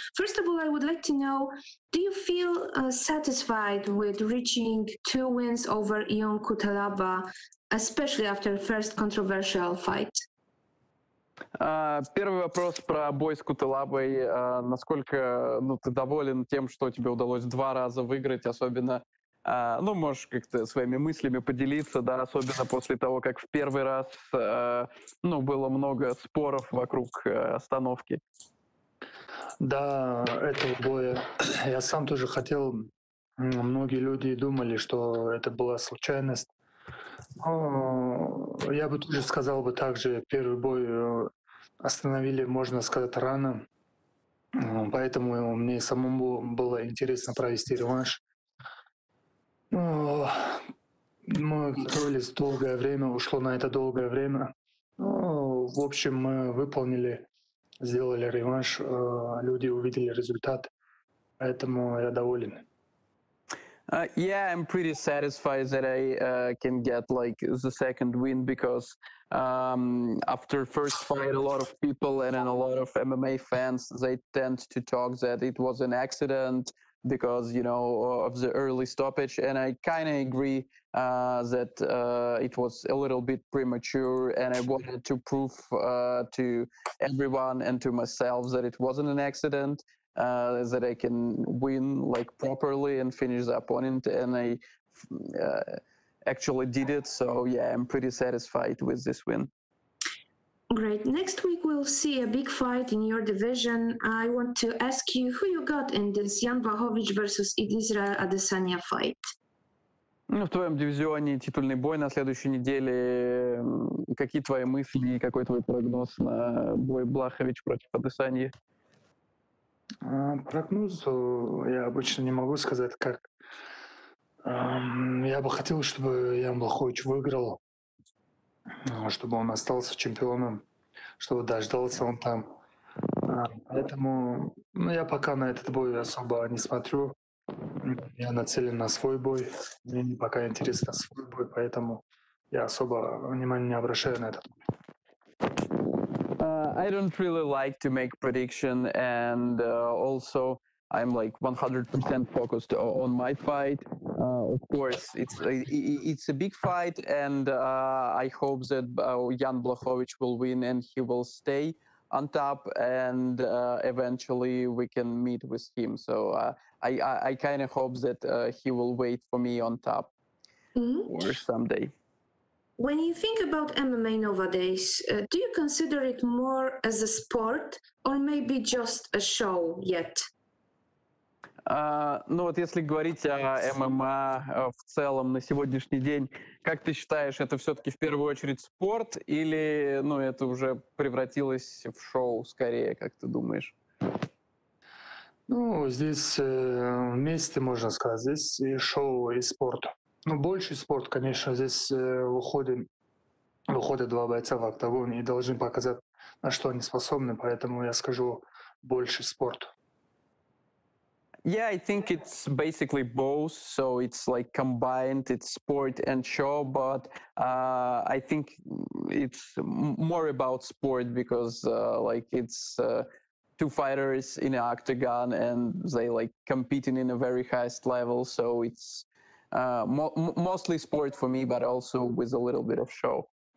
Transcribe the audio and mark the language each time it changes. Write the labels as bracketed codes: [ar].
[en] First of all, I would like to know, do you feel satisfied with reaching two wins over Ion Kutalaba, especially after the first controversial fight? [ru] Первый вопрос про бой с Кутылабой. Насколько ты доволен тем, что тебе удалось два раза выиграть, особенно, можешь как-то своими мыслями поделиться, да, особенно после того, как в первый раз, было много споров вокруг остановки? до этого боя. Я сам тоже хотел, многие люди думали, что это была случайность. Но я бы тоже сказал бы так же, первый бой остановили, можно сказать, рано. Поэтому мне самому было интересно провести реванш. Мы готовились долгое время, ушло на это долгое время. В общем, мы выполнили, сделали реванш, люди увидели результат, поэтому я доволен. [en] Yeah, I'm pretty satisfied that I can get like the second win because after first fight, a lot of people and then a lot of MMA fans, they tend to talk that it was an accident because, you know, of the early stoppage. And I kind of agree that it was a little bit premature, and I wanted to prove to everyone and to myself that it wasn't an accident. That I can win like properly and finish the opponent, and I actually did it. So yeah, I'm pretty satisfied with this win. Great. Next week we'll see a big fight in your division. I want to ask you who you got in this Jan Błachowicz versus Israel Adesanya fight. [ru] Ну, в твоем дивизионе титульный бой на следующей неделе. Какие твои мысли и какой твой прогноз на бой Błachowicz против Адесаньи? Прогноз я обычно не могу сказать, как я бы хотел, чтобы Ян Блахович выиграл, чтобы он остался чемпионом, чтобы дождался он там. Поэтому я пока на этот бой особо не смотрю. Я нацелен на свой бой. Мне пока интересно свой бой, поэтому я особо внимания не обращаю на этот бой. [en] I don't really like to make prediction, and also I'm like 100% focused on my fight. Of course, it's a big fight, and I hope that Jan Błachowicz will win and he will stay on top, and eventually we can meet with him. So I kind of hope that he will wait for me on top or someday. When you think about MMA nowadays, do you consider it more as a sport or maybe just a show yet? [ru] Ну вот если говорить о MMA в целом на сегодняшний день, как ты считаешь, это все-таки в первую очередь спорт или, ну, это уже превратилось в шоу скорее, как ты думаешь? Ну, здесь вместе, можно сказать, здесь и шоу, и спорт. Ну, больше спорт, конечно, здесь выходят два бойца в октагон и должны показать, на что они способны, поэтому я скажу больше спорт. [en] Yeah, I think it's basically both, so it's like combined, it's sport and show, but I think it's more about sport, because like it's two fighters in an octagon, and they like competing in a very highest level, so it's mostly sport for me, but also with a little bit of show.